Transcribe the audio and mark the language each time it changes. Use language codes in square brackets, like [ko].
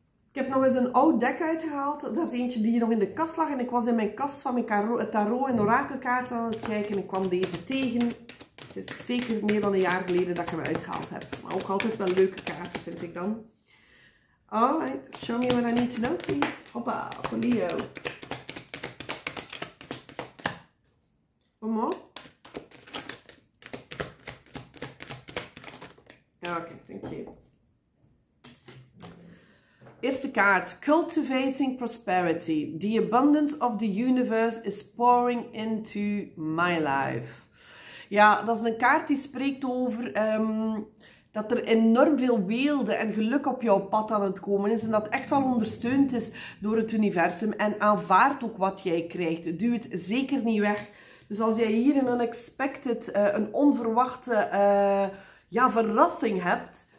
[nl] Ik heb nog eens een oud deck uitgehaald. Dat is eentje die hier nog in de kast lag. En ik was in mijn kast van mijn tarot- en orakelkaarten aan het kijken. En ik kwam deze tegen. Het is zeker meer dan een jaar geleden dat ik hem uitgehaald heb. Maar ook altijd wel leuke kaarten, vind ik dan. [en] Alright, show me what I need to know, please. [nl] Hoppa, voor Leo. Kom op. [en] Oké, thank you. [nl] Eerste kaart, cultivating prosperity. [en] The abundance of the universe is pouring into my life. [nl] Ja, dat is een kaart die spreekt over dat er enorm veel weelde en geluk op jouw pad aan het komen is. En dat echt wel ondersteund is door het universum. En aanvaard ook wat jij krijgt. Duw het zeker niet weg. Dus als jij hier een unexpected, een onverwachte verrassing hebt...